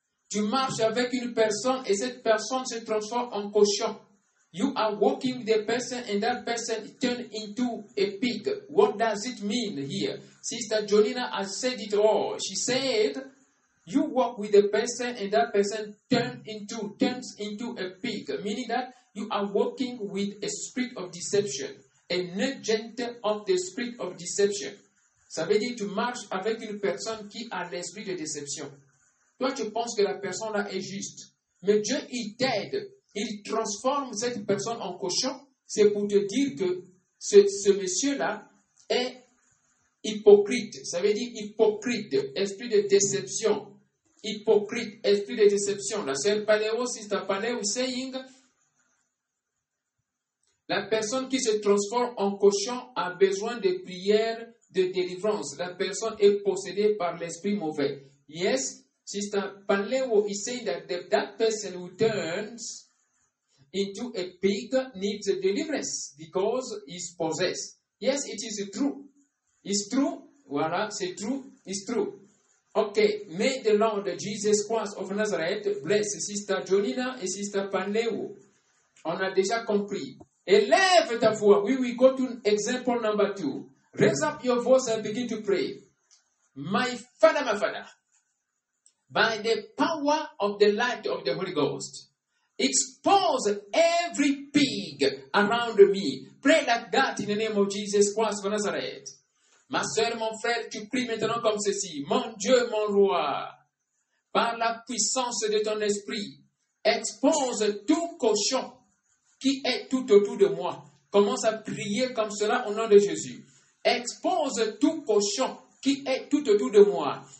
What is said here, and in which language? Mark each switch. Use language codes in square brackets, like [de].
[fr] Tu marches avec une personne et cette personne se transforme en cochon. [en] You are walking with a person and that person turns into a pig. What does it mean here? Sister Jolina has said it all. She said, you walk with a person and that person turns into a pig. Meaning that you are walking with a spirit of deception. An agent of the spirit of deception. [fr] Ça veut dire que tu marches avec une personne qui a l'esprit de déception. Toi, tu penses que la personne-là est juste. Mais Dieu, il t'aide. Il transforme cette personne en cochon. C'est pour te dire que ce monsieur-là est hypocrite. Ça veut dire hypocrite, esprit de déception. Hypocrite, esprit de déception. La sœur Paléo, sister Paléo, saying... La personne qui se transforme en cochon a besoin de prières de délivrance. La personne est possédée par l'esprit mauvais. [en] Yes, Sister Paleo is saying that person who turns into a pig needs a deliverance because he's possessed. Yes, it is true. It's true. [fr] Voilà, c'est [en] true. It's true. Okay, may the Lord Jesus Christ of Nazareth bless Sister Jolina and Sister Paleo. [fr] On a déjà compris. Élève ta voix. [en] We will go to example number two. Raise up your voice and begin to pray. My Father, by the power of the light of the Holy Ghost, expose every pig around me. Pray like that in the name of Jesus Christ of Nazareth. [fr] Ma soeur, mon frère, tu pries maintenant comme ceci. Mon Dieu, mon roi, par la puissance de ton esprit, expose tout cochon qui est tout autour de moi. Commence à prier comme cela au nom de Jésus. Expose tout cochon qui est tout autour de moi.